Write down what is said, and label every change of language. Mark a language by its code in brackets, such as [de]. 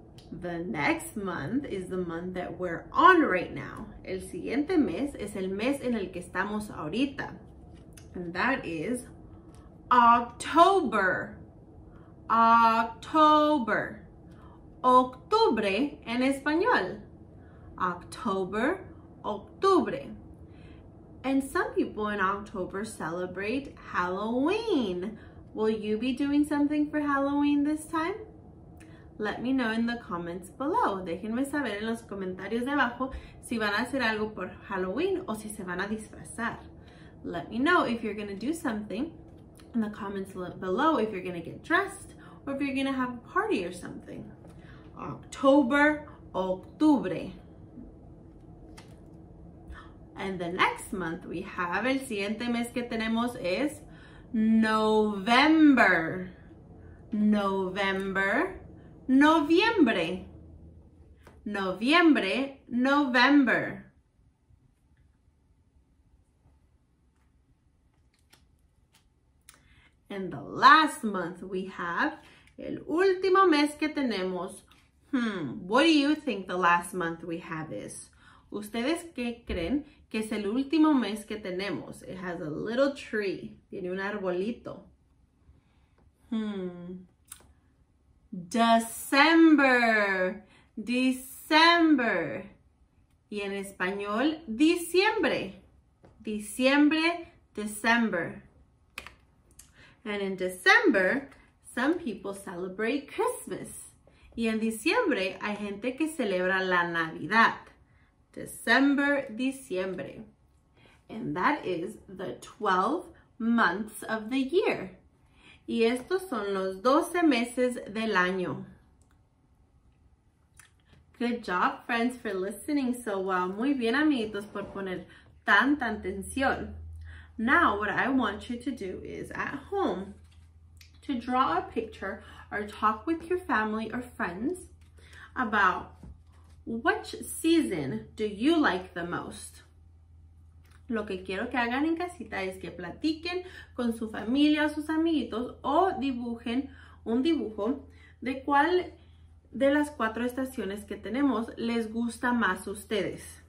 [en] The next month is the month that we're on right now. [es] El siguiente mes es el mes en el que estamos ahorita. [en] And that is October. [es] October. Octubre en español. [en] October, octubre. And some people in October celebrate Halloween. Will you be doing something for Halloween this time? Let me know in the comments below. [es] Déjenme saber en los comentarios de abajo si van a hacer algo por Halloween o si se van a disfrazar. [en] Let me know if you're going to do something in the comments below, if you're going to get dressed or if you're going to have a party or something. October, octubre. And the next month we have, [es] el siguiente mes que tenemos es November. [en] November, noviembre. [es] Noviembre, November. [en] And the last month we have, [es] el último mes que tenemos. [en] What do you think the last month we have is? [es] ¿Ustedes qué creen que es el último mes que tenemos? [en] It has a little tree. [es] Tiene un arbolito. [en] December. December. [es] Y en español, diciembre. Diciembre, December. [en] And in December, some people celebrate Christmas. [es] Y en diciembre, hay gente que celebra la Navidad. [en] December, diciembre. And that is the 12 months of the year. [es] Y estos son los 12 meses del año. [en] Good job, friends, for listening so well. [es] Muy bien, amiguitos, por poner tanta atención. [en] Now, what I want you to do is at home to draw a picture or talk with your family or friends about which season do you like the most? [es] Lo que quiero que hagan en casita es que platiquen con su familia o sus amiguitos o dibujen un dibujo de cuál de las cuatro estaciones que tenemos les gusta más a ustedes.